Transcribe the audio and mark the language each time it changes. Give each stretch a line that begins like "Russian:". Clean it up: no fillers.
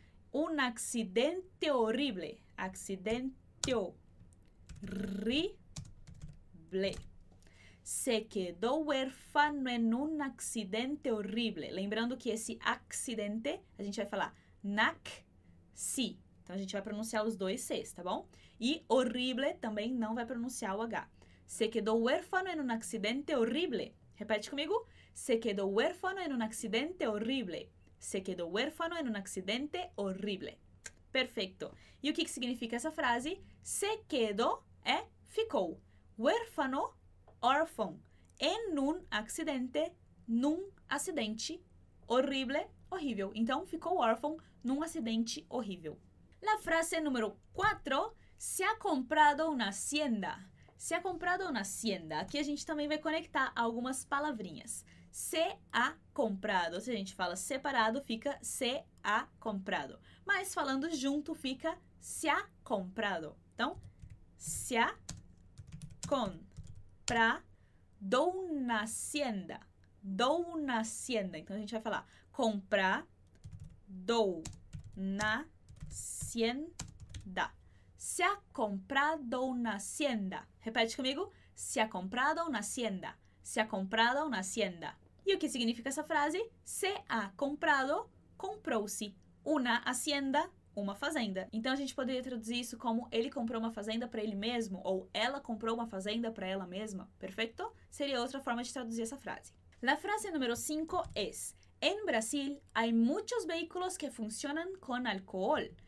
Spanish: Un accidente horrible. Accidente horrible. Se quedó huérfano en un accidente horrible.
Portuguese: Lembrando que esse accidente, a gente vai falar nac, si. Então, a gente vai pronunciar os dois Cs, tá bom? E horrible também não vai pronunciar o H.
Spanish: Se quedó huérfano en un accidente horrible.
Portuguese: Repete comigo.
Spanish: Se quedó huérfano en un accidente horrible. Se quedó huérfano en un accidente horrible. Perfecto.
Portuguese: E o que significa essa frase?
Spanish: Se quedó
Portuguese: é ficou. Huérfano, órfão.
Spanish: En un accidente,
Portuguese: num acidente.
Spanish: Horrible, horrível.
Portuguese: Então, ficou órfão num acidente horrível.
Spanish: La frase número 4. Se ha comprado una hacienda. Se ha comprado una hacienda.
Portuguese: Aqui a gente também vai conectar algumas palavrinhas. Se ha comprado. Se a gente fala separado, fica
Spanish: se ha comprado.
Portuguese: Mas falando junto, fica
Spanish: se ha comprado. Então, se ha comprado una hacienda. Do una hacienda.
Portuguese: Então, a gente vai falar
Spanish: comprado una hacienda. Se ha comprado una hacienda.
Portuguese: Repete comigo.
Spanish: Se ha comprado una hacienda. Se ha comprado una hacienda.
Portuguese: E o que significa essa frase?
Spanish: Se ha comprado,
Portuguese: comprou-se
Spanish: una hacienda,
Portuguese: uma fazenda. Então, a gente poderia traduzir isso como ele comprou uma fazenda para ele mesmo ou ela comprou uma fazenda para ela mesma. Perfeito? Seria outra forma de traduzir essa frase.
Spanish: La frase número 5 es: en Brasil hay muchos vehículos que funcionan con alcohol.